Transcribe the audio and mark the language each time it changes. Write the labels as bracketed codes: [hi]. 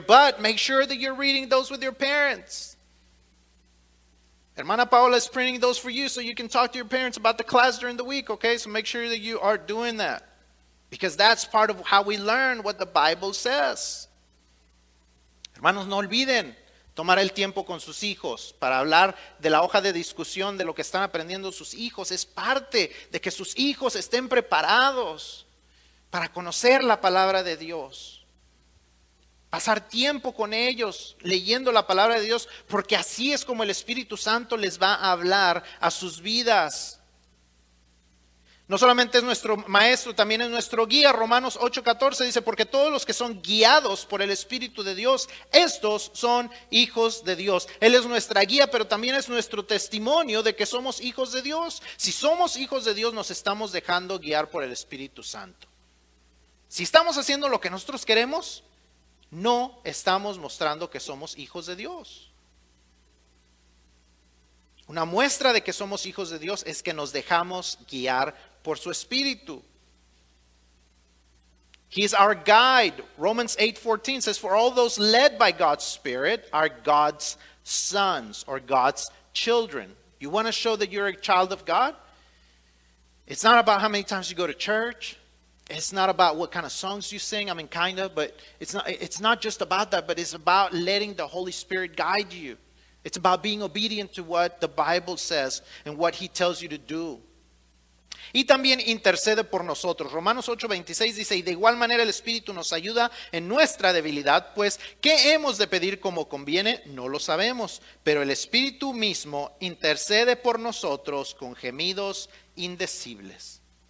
[en] But make sure that you're reading those with your parents. Hermana Paola is printing those for you so you can talk to your parents about the class during the week. Okay, so make sure that you are doing that. Because that's part of how we learn what the Bible says. [es] Hermanos, no olviden. Tomar el tiempo con sus hijos para hablar de la hoja de discusión de lo que están aprendiendo sus hijos. Es parte de que sus hijos estén preparados para conocer la palabra de Dios. Pasar tiempo con ellos leyendo la palabra de Dios, porque así es como el Espíritu Santo les va a hablar a sus vidas. No solamente es nuestro maestro, también es nuestro guía. Romanos 8:14 dice, porque todos los que son guiados por el Espíritu de Dios, estos son hijos de Dios. Él es nuestra guía, pero también es nuestro testimonio de que somos hijos de Dios. Si somos hijos de Dios, nos estamos dejando guiar por el Espíritu Santo. Si estamos haciendo lo que nosotros queremos, no estamos mostrando que somos hijos de Dios. Una muestra de que somos hijos de Dios es que nos dejamos guiar por su Espíritu. [en] He is our guide. Romans 8:14 says, for all those led by God's Spirit are God's sons or God's children. You want to show that you're a child of God? It's not about how many times you go to church. It's not about what kind of songs you sing. I mean, kind of, but it's not just about that, but it's about letting the Holy Spirit guide you. It's about being obedient to what the Bible says and what he tells you to do. [es] Y también intercede por nosotros. Romanos 8:26 dice, y de igual manera el Espíritu nos ayuda en nuestra debilidad, pues ¿qué hemos de pedir como conviene? No lo sabemos, pero el Espíritu mismo intercede por nosotros con gemidos indecibles.